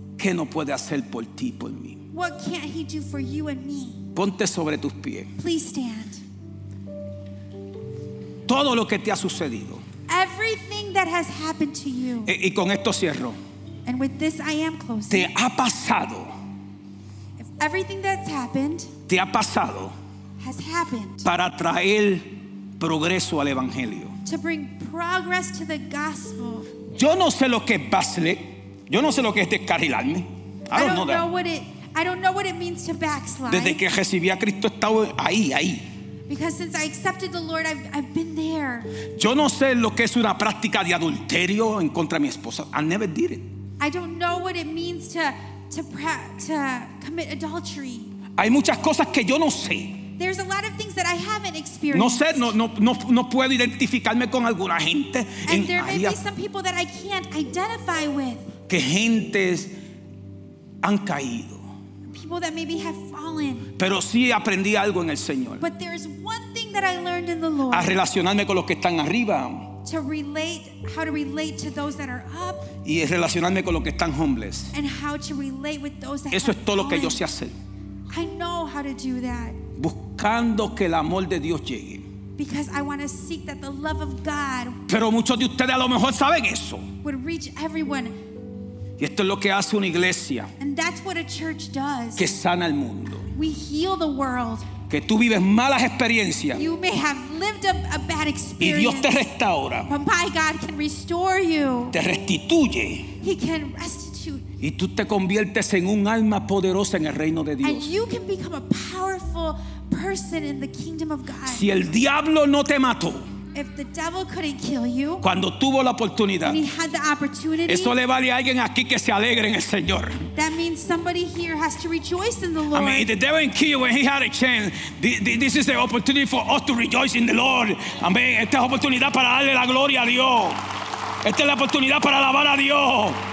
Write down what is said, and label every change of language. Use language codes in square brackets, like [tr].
[es] ¿qué no puede hacer por ti, por mí? [en] What can't he do for you and me? [es] Ponte sobre tus pies. [en] Please stand. [es] Todo lo que te ha sucedido. [en] Everything that has happened to you. [es] Y con esto cierro. [en] And with this I am closing. [es] Te ha pasado. [en] If everything that's happened. [es] Te ha pasado. [en] Has happened. [es] Para traer progreso al evangelio. [en] To bring progress to the gospel. [es] Yo no sé lo que es backslide. Yo no sé lo que es descarrilarme. [en] I don't know what it means to backslide. [es] Desde que recibí a Cristo he estado ahí, ahí. [en] Because since I accepted the Lord, I've been there. [es] Yo no sé lo que es una práctica de adulterio en contra de mi esposa. [en] I never did it. I don't know what it means to commit adultery. [es] Hay muchas cosas que yo no sé. [en] There's a lot of things that I haven't experienced. [es] No sé, no puedo identificarme con alguna gente. [en] And there may be some people that I can't identify with. [es] Que gentes han caído. [en] People that maybe have fallen. [es] Pero sí aprendí algo en el Señor. [en] But there is one thing that I learned in the Lord. [es] A relacionarme con los que están arriba. [en] To relate, how to relate to those that are up. [es] Y relacionarme con los que están homeless. [en] And how to relate with those that [es] eso [en] have [es] es todo [en] fallen. [es] Lo que yo sé hacer. [en] I know how to do that. [es] Buscando que el amor de Dios llegue. [en] Because I want to seek that the love of God. [es] Pero muchos de ustedes a lo mejor saben eso. [en] Would reach everyone. [es] Y esto es lo que hace una iglesia. [en] And that's what a church does. [es] Que sana el mundo. [en] We heal the world. [es] Que tú vives malas experiencias. [en] You may have lived a bad experience. [es] Y Dios te restaura. [en] But my God can restore you. [es] Te restituye. [en] He can restitute. [es] Y tú te conviertes en un alma poderosa en el reino de Dios. [en] And you can become a powerful person in the kingdom of God. [es] Si el diablo no te mató. [en] If the devil couldn't kill you, [es] cuando tuvo la oportunidad, [en] when he had the opportunity, [es] eso le vale a alguien aquí que se alegre en el Señor. [en] That means somebody here has to rejoice in the Lord. I mean, if the devil didn't kill you when he had a chance, this is the opportunity for us to rejoice in the Lord. Amen. [es] Esta es la oportunidad para darle la gloria a Dios. Esta es la oportunidad para alabar a Dios.